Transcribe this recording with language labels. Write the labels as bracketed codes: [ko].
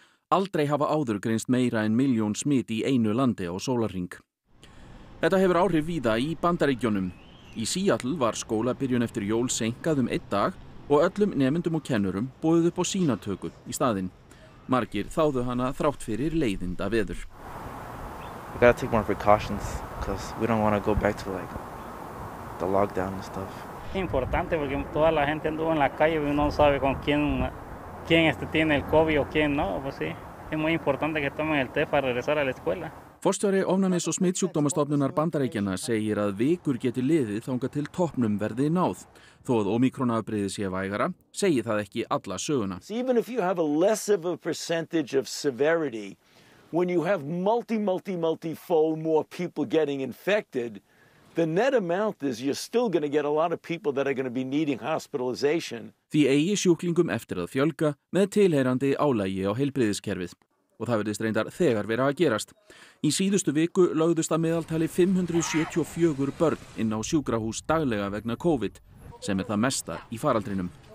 [is] Aldrei hafa áður greinst meira en 1 milljón smit í einu landi á sólarhring. Þetta hefur áhrif víða í Bandaríkjunum. Í Seattle var skólabyrjun eftir jól seinkað 1 dag og öllum nemendum og kennurum boðið upp á sýnatöku í staðinn. Margir þáðu hana þrátt fyrir leiðinda veður. [en] we gotta take more precautions because we don't want to go back to like the lockdown and stuff. [es] Importante porque toda la gente anduvo en la calle y uno sabe con quién tiene el COVID o quién no, pues sí. Es muy importante que tomen el test para regresar a la escuela. [is] Forstjóri ofnæmis- og smitsjúkdómastofnunar Bandaríkjanna segir að vikur geti liðið þangað til toppnum verði náð. Þó að ómíkrónafbreiði sé vægara, segir það ekki alla söguna. [en] Even if you have a less of a percentage of severity, when you have multi-fold more people getting infected, the net amount is you're still going to get a lot of people that are going to be needing hospitalization. [is] Því eigi sjúklingum eftir að fjölga með tilheyrandi álagi á heilbrigðiskerfið. Og það verðist reyndar þegar vera að gerast. Í síðustu viku lögðust að meðaltali 574 börn inn á sjúkrahús daglega vegna COVID, sem það mesta í faraldrinum.